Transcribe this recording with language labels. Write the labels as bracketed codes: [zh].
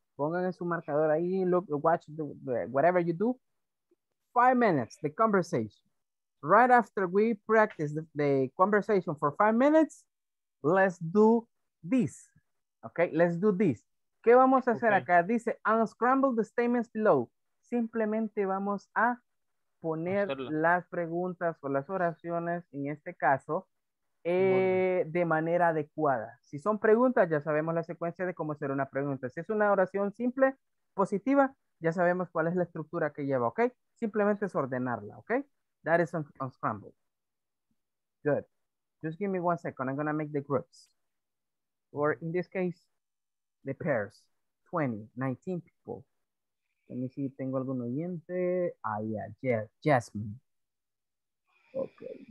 [es] Pongan en su marcador ahí, [en] look, watch the, whatever you do. 5 minutes, the conversation. Right after we practice the conversation for 5 minutes, let's do this. Okay, let's do this. [es] ¿Qué vamos a hacer acá? Dice, [en] unscramble the statements below. [es] Simplemente vamos a poner las preguntas o las oraciones, en este caso, de manera adecuada. Si son preguntas, ya sabemos la secuencia de cómo hacer una pregunta. Si es una oración simple, positiva, ya sabemos cuál es la estructura que lleva, ¿ok? Simplemente es ordenarla, ¿ok? [en] That is unscrambled. Good. Just give me 1 second. I'm going to make the groups. Or in this case, the pairs. 19 people. Let me see if [es] tengo algún oyente. [en] Ah, yeah. Jasmine. Okay.